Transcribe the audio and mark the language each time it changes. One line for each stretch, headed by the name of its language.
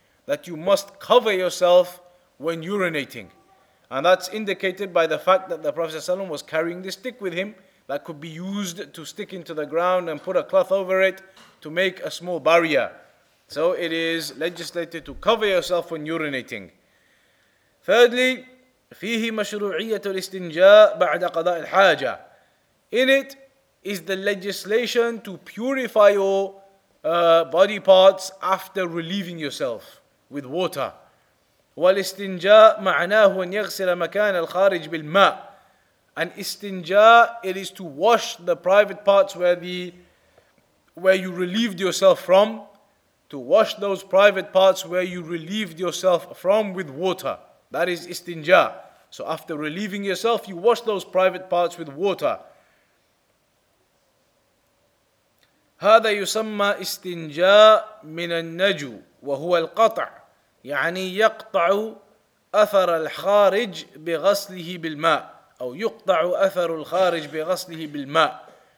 English: That you must cover yourself when urinating. And that's indicated by the fact that the Prophet ﷺ was carrying this stick with him that could be used to stick into the ground and put a cloth over it to make a small barrier. So it is legislated to cover yourself when urinating.
Arabic: Thirdly, فيه مشروعية الاستنجاء بعد قضاء الحاجة.
English: In it is the legislation to purify your body parts after relieving yourself with water.
Arabic: والاستنجاء معناه أن يغسل مكان الخارج بالماء.
English: And استنجاء, it is to wash the private parts where you relieved yourself from. To wash those private parts where you relieved yourself from with water. That is istinja. So after relieving yourself, you wash those private parts with water.
Arabic: هذا يسمى استنجاء من النجو وهو القطع يعني يقطع أثر الخارج بغسله بالماء أو يقطع أثر الخارج بغسله بالماء.